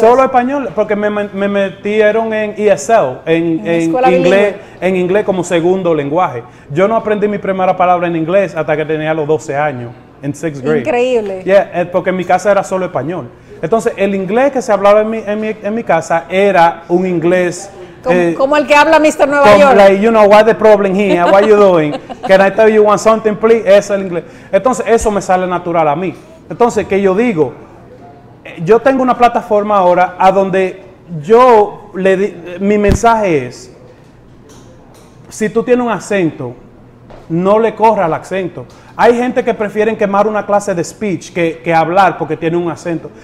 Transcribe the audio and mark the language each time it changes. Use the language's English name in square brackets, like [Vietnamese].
[Spanish] Solo español, porque me metieron en ESL, en inglés como segundo lenguaje. Yo no aprendí mi primera palabra en inglés hasta que tenía los 12 años, en [English] sixth grade. [Spanish] Increíble. Yeah, porque en mi casa era solo español. Entonces, el inglés que se hablaba en mi casa era un inglés... Como el que habla Mr. Nueva York. [English] Like, you know, what's the problem here? What are you doing? Can I tell you one something, please? [Spanish] Es el inglés. Entonces, eso me sale natural a mí. Entonces, ¿qué yo digo? Yo tengo una plataforma ahora a donde yo le di... Mi mensaje es, si tú tienes un acento, no le corra el acento. Hay gente que prefieren quemar una clase de speech que hablar porque tiene un acento.